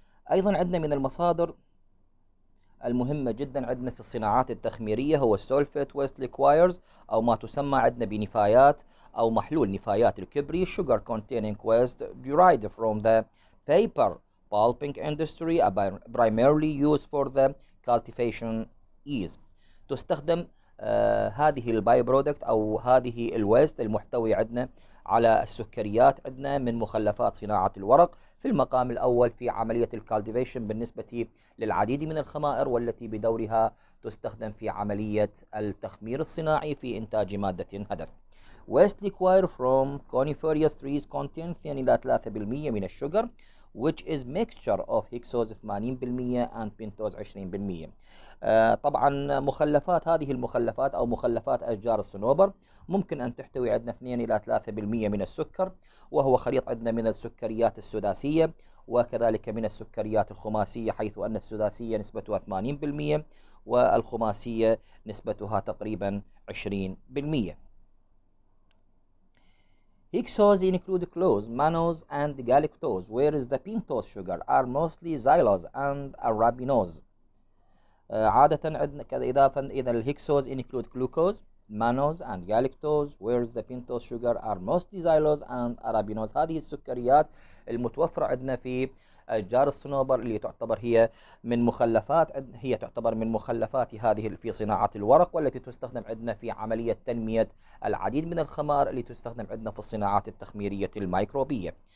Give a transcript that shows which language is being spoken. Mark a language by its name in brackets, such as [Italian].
[Arabic] أيضا عندنا من المصادر المهمة جدا عندنا في الصناعات التخميرية هو السولفيت ويست ليكوايرز، أو ما تسمى عندنا بنفايات أو محلول نفايات الكبري. [English] Sugar containing waste derived from the paper pulping industry primarily used for the cultivation ease. [Arabic] تستخدم هذه الباي برودكت أو هذه الويست المحتوي عندنا على السكريات عندنا من مخلفات صناعة الورق في المقام الأول في عملية الكالتيفيشن بالنسبة للعديد من الخمائر، والتي بدورها تستخدم في عملية التخمير الصناعي في إنتاج مادة هدف. [English] Waste liquor from coniferous trees contains 2-3% [Arabic] من السكر، [English] which is mixture of hexose 80% and pentose 20%. [Arabic] طبعا مخلفات هذه المخلفات أو مخلفات أشجار الصنوبر ممكن أن تحتوي عندنا 2-3% من السكر، وهو خليط عندنا من السكريات السداسية وكذلك من السكريات الخماسية، حيث أن السداسية نسبتها 80% والخماسية نسبتها تقريبا 20%. [English] Hexose include close, mannose and galactose, whereas the pentose sugar are mostly xylose and arabinose. [Arabic] عادة عندنا كذا إضافة إذا الهيكسوز [English] include glucose, mannose and galactose, whereas the pentose sugar are mostly xylose and arabinose. [Arabic] هذه السكريات المتوفرة عندنا في أشجار الصنوبر اللي تعتبر هي من مخلفات، هي تعتبر من مخلفات هذه في صناعة الورق، والتي تستخدم عندنا في عملية تنمية العديد من الخمار اللي تستخدم عندنا في الصناعات التخميرية الميكروبية.